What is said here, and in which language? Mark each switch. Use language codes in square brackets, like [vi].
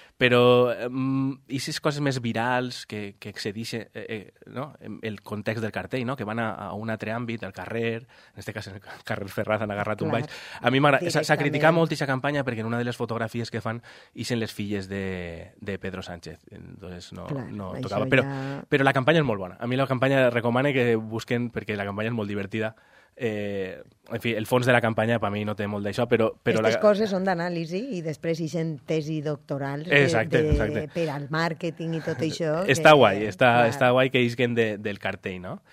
[ca] Però i si és coses més virals que excedeixen no? El context del cartell, no? Que van a un altre àmbit, al carrer, en este cas el carrer Ferraz han agarrat un baix. A mi s'ha criticat molt aquesta campanya perquè en una de les fotografies que fan ixen les filles de Pedro Sánchez. [es] Entonces no, claro, no tocaba. Pero la campaña es muy buena. A mí la campaña recomiendo que busquen, porque la campaña es muy divertida. [ca] En fi, el fons de la campanya per mi no té molt d'això, però aquestes coses són d'anàlisi i després hi sent tesi doctoral per al màrqueting i tot això. Està que, guai, està guai que isquen del cartell, no?